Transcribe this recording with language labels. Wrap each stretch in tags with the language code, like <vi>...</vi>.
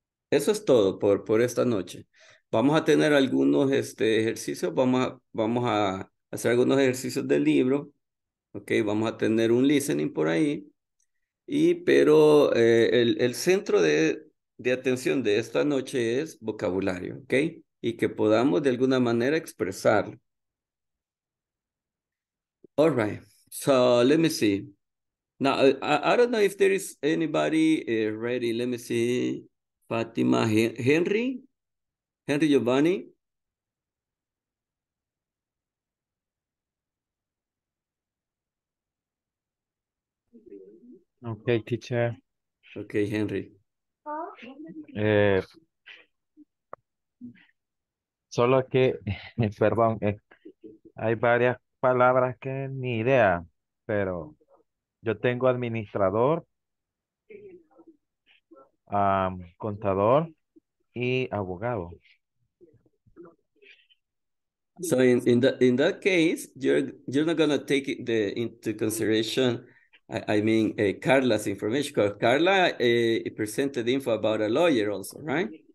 <es>Eso es todo por esta noche. Vamos a tener algunos ejercicios, vamos a hacer algunos ejercicios del libro, okay, vamos a tener un listening por ahí, pero el centro de atención de esta noche es vocabulario, okay, y que podamos de alguna manera expresarlo.</es> <en>All right, so let me see. Now, I don't know if there is anybody ready. Let me see. Fatima, Henry? Henry Giovanni? Okay, teacher. Okay, Henry.</en> <es>Solo que, perdón, hay varias palabras que ni idea, pero yo tengo administrador, contador y abogado.</es> <en>So in that case, you're not gonna take it into consideration. I mean, Carla's information, because Carla presented info about a lawyer also, right?</en>